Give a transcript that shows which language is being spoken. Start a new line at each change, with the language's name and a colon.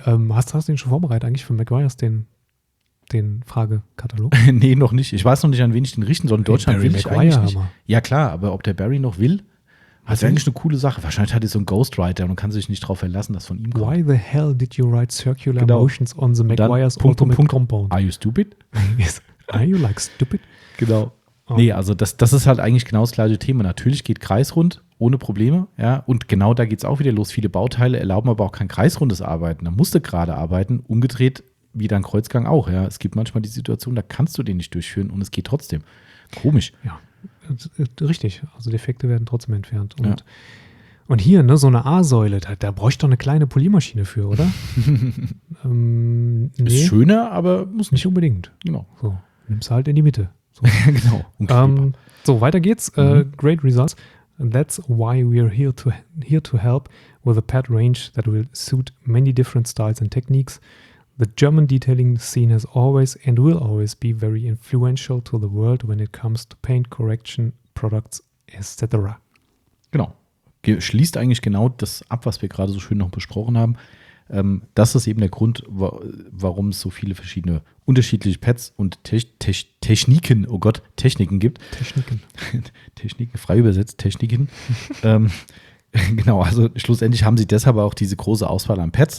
German: Hast du den schon vorbereitet eigentlich für McGuire's, den Fragekatalog? Nee, noch nicht. Ich weiß noch nicht, an wen ich den richten soll. In Deutschland will ich eigentlich nicht. Hammer. Ja klar, aber ob der Barry noch will, ist eigentlich eine coole Sache. Wahrscheinlich hat er so einen Ghostwriter und kann sich nicht darauf verlassen, dass von ihm kommt.
English: Why the hell did you write circular motions on the McGuire's Ultimate Compound? Are you stupid? Yes. Are you like stupid?
German: Genau. Nee, also das ist halt eigentlich genau das gleiche Thema. Natürlich geht kreisrund ohne Probleme, ja, und genau da geht es auch wieder los. Viele Bauteile erlauben aber auch kein kreisrundes Arbeiten. Da musst du gerade arbeiten, umgedreht wie dein Kreuzgang auch, ja. Es gibt manchmal die Situation, da kannst du den nicht durchführen und es geht trotzdem. Komisch. Ja, richtig. Also Defekte werden trotzdem entfernt. Und, ja. Und hier, ne, so eine A-Säule, da bräuchte ich doch eine kleine Poliermaschine für, oder? nee. Ist schöner, aber muss nicht unbedingt. Genau. So, nimmst du halt in die Mitte. So. Genau. So, weiter geht's.
English: Great results. And that's why we're here to help with a pad range that will suit many different styles and techniques. The German detailing scene has always and will always be very influential to the world when it comes to paint correction products, etc.
German: Genau. Schließt eigentlich genau das ab, was wir gerade so schön noch besprochen haben. Das ist eben der Grund, warum es so viele verschiedene unterschiedliche Pads und Techniken, oh Gott, Techniken gibt. Techniken. Techniken, frei übersetzt, Techniken. genau, also schlussendlich haben sie deshalb auch diese große Auswahl an Pads.